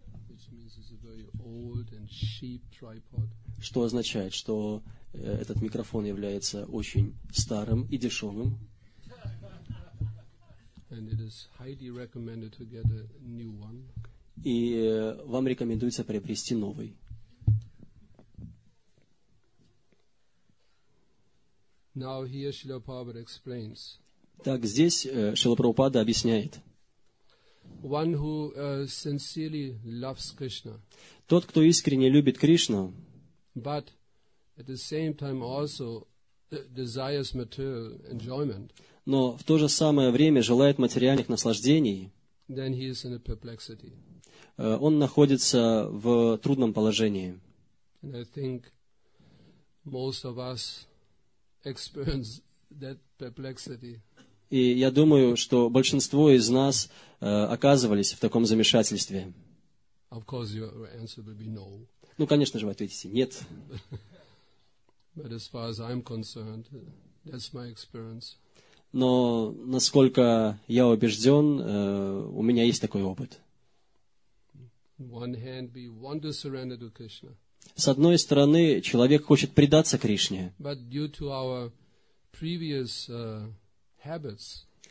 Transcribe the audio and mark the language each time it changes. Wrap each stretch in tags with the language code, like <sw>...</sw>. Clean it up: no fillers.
<en>Which means it's a very old and cheap tripod.</en> <ru>Что означает, что этот микрофон является очень старым и дешевым.</ru> <en>And it is highly recommended to get a new one.</en> <ru>И вам рекомендуется приобрести новый.</ru> <en>Now here Srila Prabhupada explains.</en> <ru>Так здесь Шрила Прабхупада объясняет.</ru> <en>One who sincerely loves Krishna.</en> <ru>Тот, кто искренне любит Кришну.</ru> <en>But at the same time also desires material enjoyment.</en> <ru>Но в то же самое время желает материальных наслаждений.</ru> <en>Then he is in a perplexity.</en> <ru>Он находится в трудном положении.</ru> <en>And I think most of us experience that perplexity.</en> <ru>И я думаю, что большинство из нас оказывались в таком замешательстве.</ru> <en>Of course your answer will be no.</en> <ru>Ну, конечно же, вы ответите нет.</ru> <en>But as far as I'm concerned, that's my experience.</en> <ru>Но насколько я убежден, у меня есть такой опыт.</ru> <en>One hand we want to surrender to Krishna.</en> <ru>С одной стороны, человек хочет предаться Кришне.</ru> <en>But due to our previous, habits,</en>